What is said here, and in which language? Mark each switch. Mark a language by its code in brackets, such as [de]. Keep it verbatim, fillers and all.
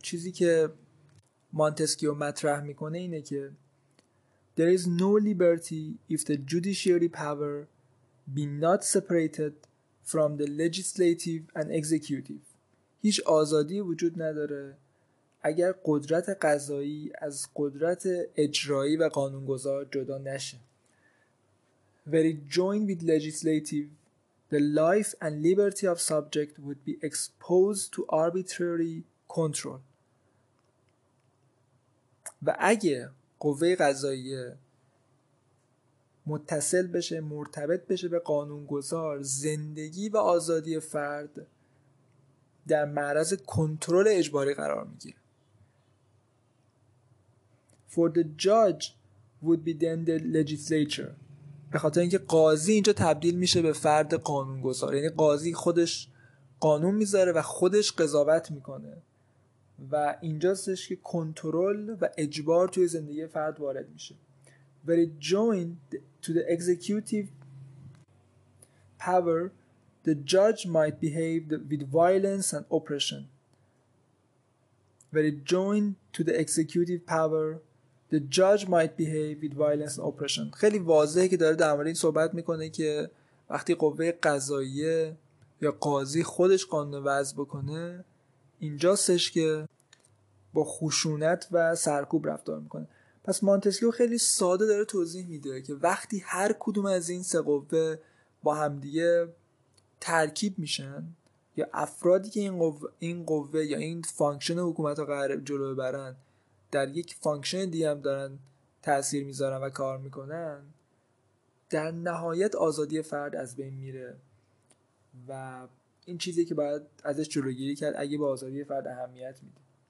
[fa] چیزی که مونتسکیو مطرح میکنه اینه که [en] There is no liberty if the judiciary power be not separated from the legislative and executive. [fa] هیچ آزادی وجود نداره اگر قدرت قضایی از قدرت اجرایی و قانونگذار جدا نشه. [en] Were it joined with legislative, the life and liberty of subject would be exposed to arbitrary control. [fa] و اگه قوه قضاییه متصل بشه، مرتبط بشه به قانونگذار، زندگی و آزادی فرد در معرض کنترل اجباری قرار میگیره. [en] For the judge would be then the legislature. [fa] به خاطر اینکه قاضی اینجا تبدیل میشه به فرد قانونگذار، یعنی قاضی خودش قانون میذاره و خودش قضاوت میکنه و اینجاستش که کنترل و اجبار توی زندگی فرد وارد میشه. [en] Where it joined to the executive power, the judge might behave with violence and oppression. Where it joined to the executive power, the judge might behave with violence and oppression. [fa] خیلی واضحه که داره در مورد این صحبت میکنه که وقتی قوه قضاییه یا قاضی خودش قانون وضع بکنه اینجاستش که با خشونت و سرکوب رفتار میکنه. پس مونتسکیو خیلی ساده داره توضیح میده که وقتی هر کدوم از این سه قوه با همدیگه ترکیب میشن یا افرادی که این قوه, این قوه یا این فانکشن حکومت رو قرار جلو ببرن در یک فانکشن دیگه هم دارن تأثیر میذارن و کار میکنن، در نهایت آزادی فرد از بین میره و این چیزی که باید ازش جلوگیری کرد اگه به آزادی فرد اهمیت میده.